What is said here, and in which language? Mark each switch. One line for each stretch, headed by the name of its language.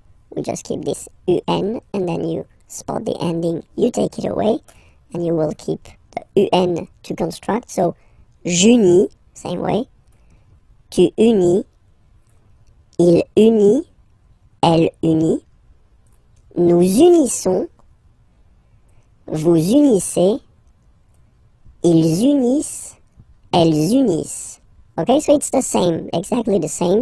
English: We just keep this UN and then you spot the ending, you take it away and you will keep the UN to construct. So,
French: j'unis,
English: same way.
French: Tu unis, il unit, elle unit, nous unissons, vous unissez, ils unissent, elles unissent.
English: Okay, so it's the same, exactly the same.